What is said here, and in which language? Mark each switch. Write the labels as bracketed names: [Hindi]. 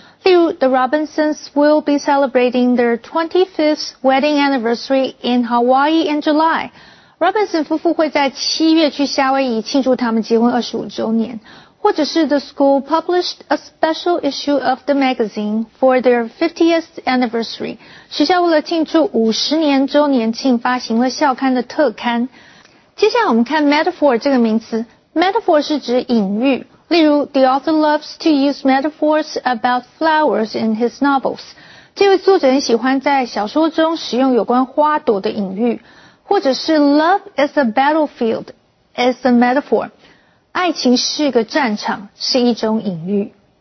[Chinese] 例如 [English] The Robinsons will be celebrating their 25th wedding anniversary in Hawaii in July. [Chinese] Robinson 夫妇会在七月去夏威夷庆祝他们结婚25周年。或者是 [English] The school published a special issue of the magazine for their 50th anniversary. [Chinese] 学校为了庆祝50年周年庆发行了校刊的特刊。接下来我们看 metaphor 这个名词。Metaphor 是指隐喻。例如 [English] The author loves to use metaphors about flowers in his novels. [Chinese] 这位作者很喜欢在小说中使用有关花朵的隐喻。或者是 [English] Love is a battlefield is a metaphor. [Chinese] 爱情是个战场，是一种隐喻。